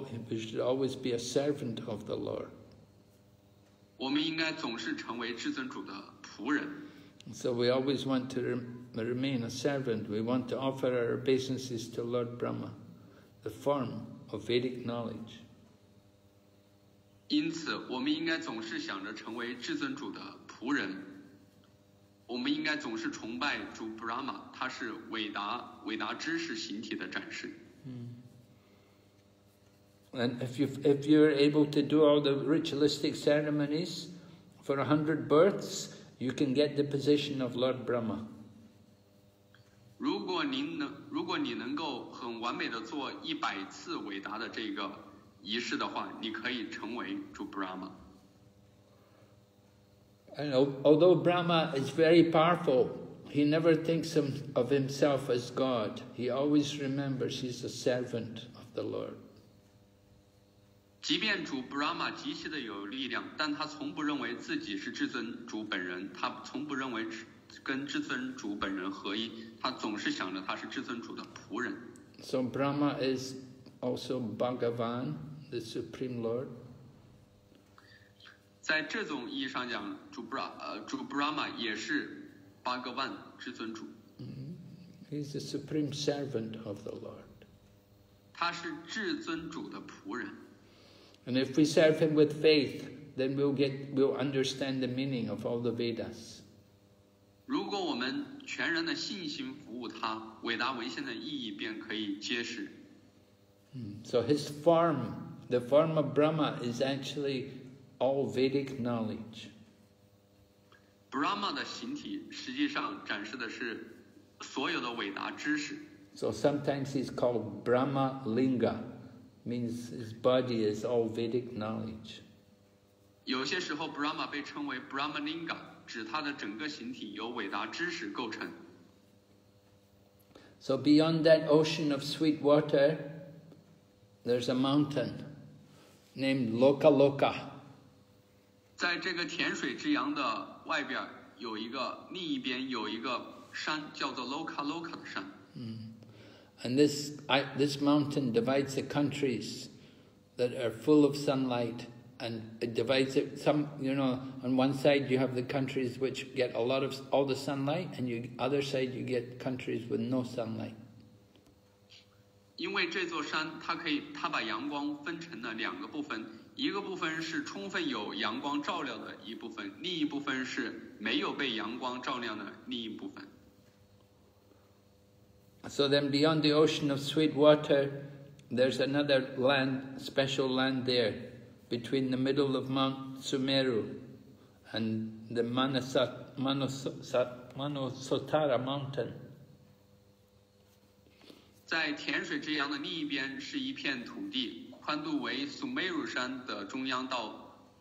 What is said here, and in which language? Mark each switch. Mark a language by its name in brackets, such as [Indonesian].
[English] We should always be a servant of the Lord. [Chinese] 我们应该总是成为至尊主的仆人。 [English] So we always want to remain a servant. We want to offer our obeisances to Lord Brahma, the form of Vedic knowledge. [Chinese] 因此，我们应该总是想着成为至尊主的仆人。我们应该总是崇拜主 Brahma， 他是伟达知识形体的展示。 [English] And if you are able to do all the ritualistic ceremonies for 100 births, you can get the position of Lord Brahma. [Chinese] 如果你能够很完美的做100次伟达的这个仪式的话，你可以成为主 Brahma。 [English] And although Brahma is very powerful, he never thinks of himself as God. He always remembers he's a servant of the Lord. [Chinese] 即便主 Brahma 极其的有力量，但他从不认为自己是至尊主本人。他从不认为跟至尊主本人合一。他总是想着他是至尊主的仆人。 [English] So Brahma is also Bhagavan, the Supreme Lord. [Chinese] 在这种意义上讲，主 Brahma 也是 Bhagavan 至尊主。 [English] He's the supreme servant of the Lord. [Chinese] 他是至尊主的仆人。 [English] And if we serve him with faith, then we'll understand the meaning of all the Vedas. [Chinese] 如果我们全然的信心服务他，伟达文献的意义便可以揭示。 [English] So his form, the form of Brahma is actually. All Vedic knowledge. [Chinese] Brahma 的形体实际上展示的是所有的伟达知识。 [English] So sometimes he's called Brahma Linga, means his body is all Vedic knowledge. [Chinese] 有些时候 Brahma 被称为 Brahma Linga, 指他的整个形体由伟达知识构成。 [English] So beyond that ocean of sweet water, there's a mountain named Loka Loka. [Chinese] 在这个甜水之洋的外边有一个另一边有一个山叫做 Loka Loka 的山。 [English] And this mountain divides the countries that are full of sunlight, and it divides it some, you know, on one side you have the countries which get a lot of all the sunlight, and you other side you get countries with no sunlight. [Chinese] 因为这座山它把阳光分成了两个部分。一个部分是充分有阳光照亮的一部分，另一部分是没有被阳光照亮的另一部分。 [English] So then beyond the ocean of sweet water, there's another land, special land there, between the middle of Mount Sumeru and the Manasotara Mountain. [Chinese] 在甜水之洋的另一边是一片土地。宽度为苏梅鲁山的中央到